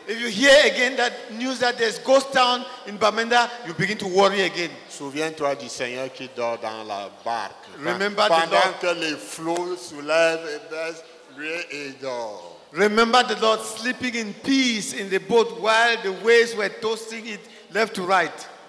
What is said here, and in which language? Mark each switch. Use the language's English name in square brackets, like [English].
[English] If you hear again that news that there's ghost town in Bamenda, you begin to worry again. [French] Souviens-toi du Seigneur qui dort dans la barque. [English] Remember [French] pendant [English] the Lord, [French] que les flots soulèvent et baissent, lui il dort. [English] Remember the Lord sleeping in peace in the boat while the waves were tossing it left to right.